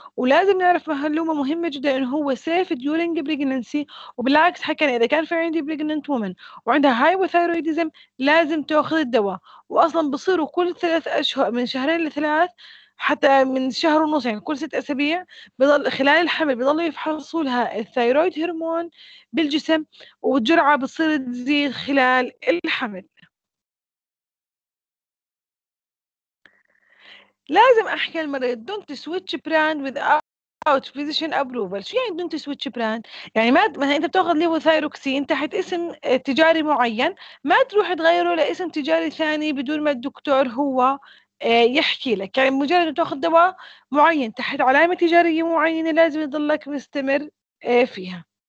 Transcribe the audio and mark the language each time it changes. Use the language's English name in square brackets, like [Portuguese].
[Arabic] ولازم نعرف معلومة مهمة جدا انه هو سيف ديورينج بريجننسي، وبالعكس حكينا اذا كان في عندي بريجننت وومن وعندها هايبوثيرويديزم لازم تاخذ الدواء، واصلا بصيروا كل 3 اشهر من شهرين لثلاث حتى من شهر ونص، يعني كل 6 أسابيع بضل خلال الحمل بضل يفحصوا لها الثيرويد هرمون بالجسم، والجرعة بتصير تزيد خلال الحمل. لازم أحكي للمريض [English] don't switch brand without physician approval. [Arabic] شو يعني [English] don't switch brand؟ [Arabic] يعني ما مثلا أنت بتأخذ ليفوثيروكسين تحت اسم تجاري معين، ما تروح تغيره لاسم تجاري ثاني بدون ما الدكتور هو يحكي لك. يعني مجرد تأخذ دواء معين تحت علامة تجارية معينة لازم يضلك مستمر فيها.